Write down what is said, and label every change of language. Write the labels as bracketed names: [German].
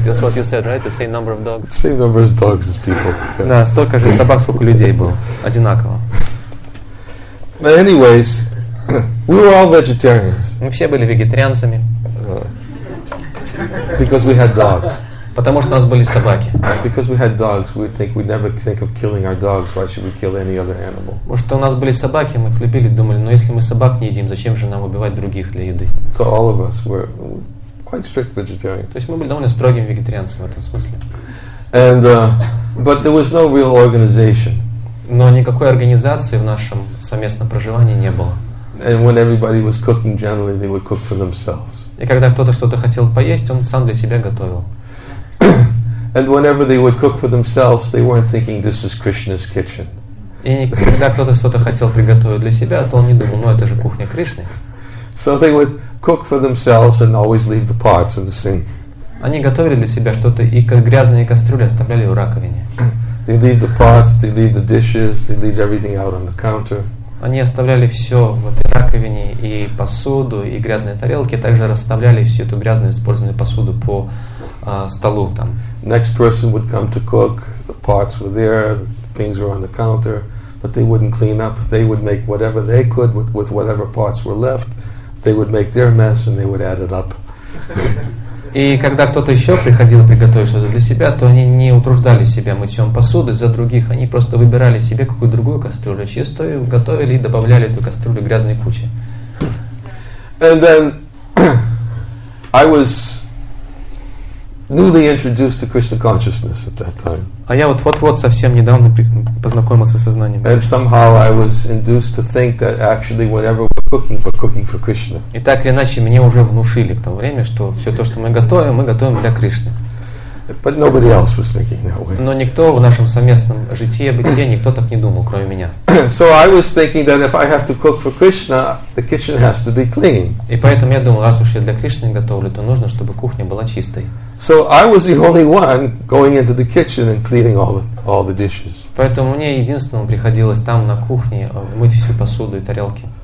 [English] That's what you said, right? The same number of dogs. Same number of dogs as people. [Russian] Да, столько же собак, сколько людей было. Одинаково. [English] But anyways, we were all vegetarians. [Russian] Мы все были вегетарианцами. [English] Because we had dogs. [Russian] Потому что у нас были собаки. [English] Because we had dogs, we think we never think of killing our dogs. Why should we kill any other animal? [Russian] Потому что у нас были собаки, мы их любили, думали, но если мы собак не едим, зачем же нам убивать других для еды? [English] So all of us were quite strict vegetarians. [Russian] То есть мы были довольно строгим вегетарианцем в этом смысле. [English] And but there was no real organization. [Russian] Но никакой организации в нашем совместном проживании не было. [English] And when everybody was cooking, generally they would cook for themselves. [Russian] И когда кто-то что-то хотел поесть, он сам для себя готовил. [English] And whenever they would cook for themselves, they weren't thinking this is Krishna's kitchen. [Russian] И когда кто-то что-то хотел приготовить для себя, то он не думал, ну это же кухня Кришны. [English] So they would cook for themselves and always leave the pots in the sink. [Russian] Они готовили для себя что-то и грязные кастрюли оставляли в раковине. [English] They leave the pots, they leave the dishes, they leave everything out on the counter. [Russian] Они оставляли все в этой раковине и посуду и грязные тарелки, также расставляли всю эту грязную использованную посуду по столу там. [English] Next person would come to cook. The pots were there, the things were on the counter, but they wouldn't clean up. They would make whatever they could with whatever pots were left. They would make their mess and they would add it up. [Russian] И когда кто-то еще приходил приготовить что-то для себя, то они не утруждали себя мытьем посуды за других. Они просто выбирали себе какую-то другую кастрюлю чистую, готовили и добавляли эту кастрюлю грязной куче. [English] And then I was newly introduced to Krishna consciousness at that time. [Russian] А я вот совсем недавно познакомился с сознанием. [English] And somehow I was induced to think that actually whatever we're cooking for Krishna. [Russian] И так или иначе мне уже внушили к тому времени, что все то, что мы готовим для Кришны. [English] But nobody else was thinking that way. [Russian] Но никто в нашем совместном житии, бытии, никто так не думал, кроме меня. [English] So I was thinking that if I have to cook for Krishna, the kitchen has to be clean. [Russian] И поэтому я думал, раз уж я для Кришны готовлю, то нужно, чтобы кухня была чистой. [English] So I was the only one going into the kitchen and cleaning all the dishes. [Russian] Поэтому мне единственному приходилось там на кухне мыть всю посуду и тарелки.